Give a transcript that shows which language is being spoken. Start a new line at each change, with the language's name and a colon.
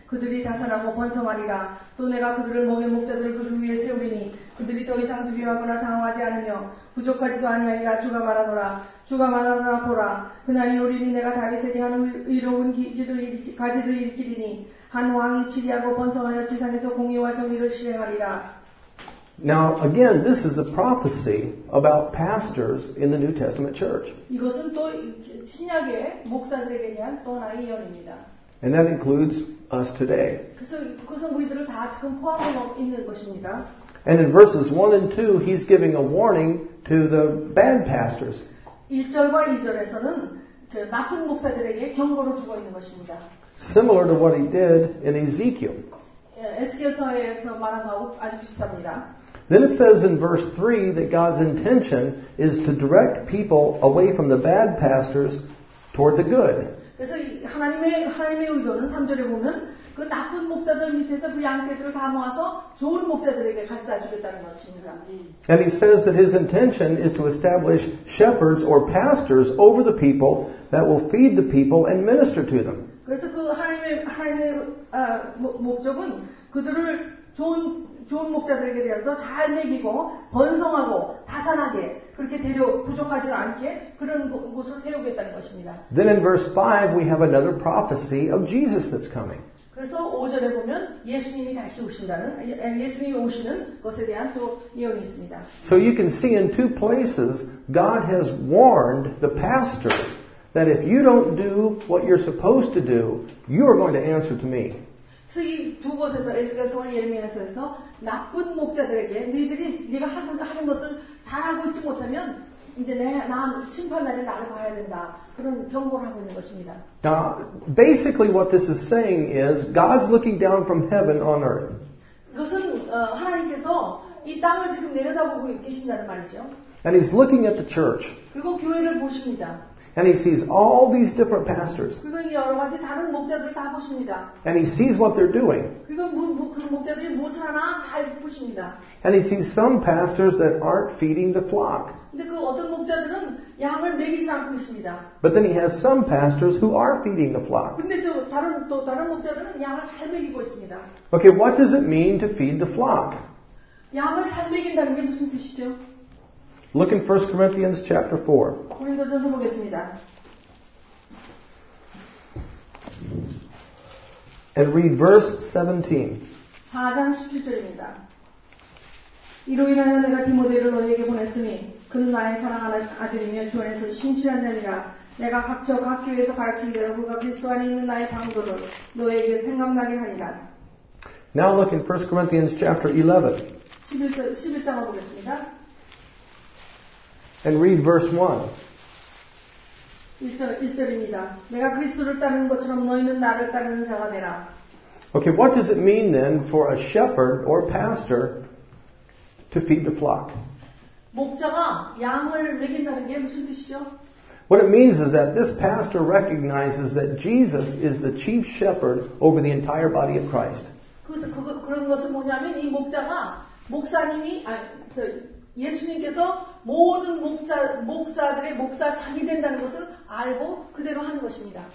Korean: 그들이 다산하고 번성하리라. 또 내가 그들을 목의 목자들을 그들 위에 세우리니 그들이 더 이상 두려워하거나 당황하지 않으며 부족하지도 아니하리라. 주가 말하노라. 주가 말하노라. 보라. 그날이 오리니 내가 다윗에게 하는 의로운 가지를 일으키리니 한 왕이 치리하고 번성하여 지상에서 공의와 정의를 실행하리라.
English: Now again, this is a prophecy about pastors in the New Testament church.
Korean: 이것은 또 신약의 목사들에게 대한 또 하나의 예언입니다.
English: And that includes us today.
Korean: 그것은 우리들을 다 지금 포함하고 있는 것입니다.
English: And in verses 1 and 2, he's giving a warning to the bad pastors.
Korean: 1절과 2절에서는 그 나쁜 목사들에게 경고를 주고 있는 것입니다.
English: Similar to what he did in Ezekiel.
Korean: 에스겔서에서 말한 것과 아주 비슷합니다.
English: Then it says in verse 3 that God's intention is to direct people away from the bad pastors toward the good.
Korean: 그래서 하나님의 의도는 3절에 보면 그 나쁜 목사들 밑에서 그 양떼들을 다 모아서 좋은 목사들에게 갖다 주겠다는 것입니다.
English: And he says that his intention is to establish shepherds or pastors over the people that will feed the people and minister to them.
Korean: 그래서 그 하나님의 목적은 그들을 좋은 목자들에게 대해서 잘 먹이고 번성하고 다산하게 그렇게 데려 부족하지 않게 그런 곳을 세우겠다는 것입니다.
English: Then in verse 5 we have another prophecy of Jesus that's coming.
Korean: 그래서 5절에 보면 예수님이 다시 오신다는 예수님이 오시는 것에 대한 또 예언이 있습니다.
English: So you can see in two places God has warned the pastors that if you don't do what you're supposed to do, you are going to answer to me.
Korean: 이 두 곳에서 에스겔서와 예레미야서에서 나쁜 목자들에게 너희들이 네가 하는 것을 잘하고 있지 못하면 이제 나 심판날에 나를 봐야 된다. 그런 경고를 하고 있는 것입니다.
English: Now, basically what this is saying is God's looking down from heaven on earth.
Korean: 그것은 하나님께서 이 땅을 지금 내려다보고 계신다는 말이죠.
English: And he's looking at the church.
Korean: 그리고 교회를 보십니다.
English: And he sees all these different pastors.
Korean: 그리고 여러 가지 다른 목자들을 다 보십니다.
English: And he sees what they're doing.
Korean: 그리고 그 목자들이 무엇을 하나 잘 보십니다.
English: And he sees some pastors that aren't feeding the flock.
Korean: 근데 그 어떤 목자들은 양을 먹이지 않고 있습니다.
English: But then he has some pastors who are feeding the flock.
Korean: 근데 또 다른 목자들은 양을 잘 먹이고 있습니다.
English: Okay, what does it mean to feed the flock?
Korean: 양을 잘 먹인다는 게 무슨 뜻이죠?
English: Look in 1 Corinthians chapter 4.
Korean: 고린도전서 보겠습니다.
English: And read verse 17.
Korean: 4장 17절입니다. 이로 인하여 내가 디모데를 너희에게 보냈으니 그는 나의 사랑하는 아들이며 주 안에서 신실한 자니라. 내가 각적 학교에서 가르치기대로 그가 그리스도 안에 있는 나의 장로를 너희에게 생각나게 하리라.
English: Now look in 1 Corinthians chapter 11.
Korean: 11장 보겠습니다.
English: And read verse
Korean: 1. 1절입니다. 내가 그리스도를 따르는 것처럼 너희는 나를 따르는 자가 되라.
English: Okay, what does it mean then for a shepherd or pastor to feed the flock?
Korean: 목자가 양을 먹인다는 게 무슨 뜻이죠?
English: What it means is that this pastor recognizes that Jesus is the chief shepherd over the entire body of Christ.
Korean: 그런 것은 뭐냐면 이 목자가 목사님이 예수님께서 모든 목사들의 목사 자기 된다는 것을 알고 그대로 하는 것입니다.